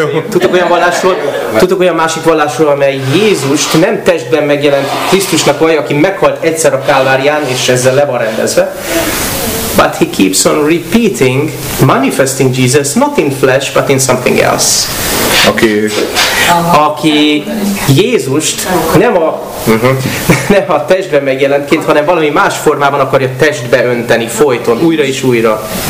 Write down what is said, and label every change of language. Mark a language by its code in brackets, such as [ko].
[hu] Tudtok olyan másik vallásról, amely Jézust nem testben megjelent Krisztusnak vallja, aki meghalt egyszer a Kálvárián, és ezzel le van rendezve. [en] But he keeps on repeating, manifesting Jesus, not in flesh, but in something else. Okay. [hu] Aki Jézust nem a testben megjelentként, hanem valami más formában akarja testbe önteni folyton, újra és újra.